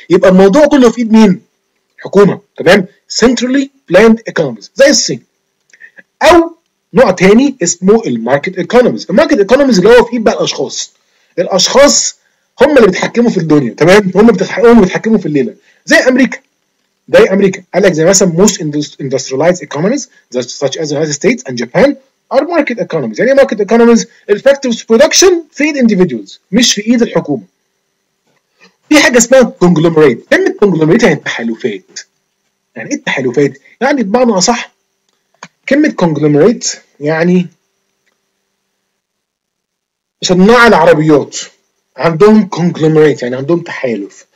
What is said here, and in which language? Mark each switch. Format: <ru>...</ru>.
<ar>يبقى الموضوع كله في ايد مين؟ حكومه تمام. سنترالي بلاند ايكونوميز زي الصين، او نوع تاني اسمه الماركت ايكونوميز. الماركت ايكونوميز اللي هو فيه بقى الاشخاص، الاشخاص هم اللي بيتحكموا في الدنيا، تمام؟ هم بيتحكموا في الليله، زي امريكا. زي امريكا قال لك زي مثلا</ar> <en>most industrialized economies such as the United States and Japan are market economies.</en> <ar>يعني market economies effective production في ايد individuals مش في ايد الحكومه. في حاجه اسمها conglomerate. كلمه conglomerate يعني تحالفات. يعني ايه التحالفات؟ يعني بمعنى اصح كلمه conglomerate يعني صناع العربيات عندهم conglomerate، يعني عندهم تحالف.</ar>